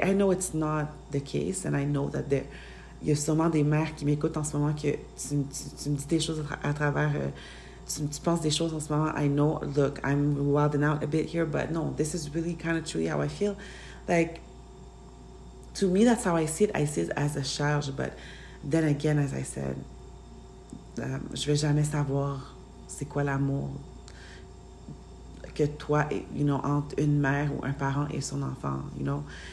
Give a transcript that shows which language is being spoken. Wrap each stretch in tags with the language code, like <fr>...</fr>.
<en>I know it's not the case, and I know that there...</en> <fr>Il y a sûrement des mères qui m'écoutent en ce moment, que tu me dis des choses à travers... tu penses des choses en ce moment.</fr> <en>I know, look, I'm wilding out a bit here, but no, this is really kind of truly how I feel. Like, to me, that's how I see it. I see it as a charge, but then again, as I said,</en> <fr>je vais jamais savoir c'est quoi l'amour que toi,</fr> <en>you know,</en> <fr>entre une mère ou un parent et son enfant,</fr> <en>you know?</en>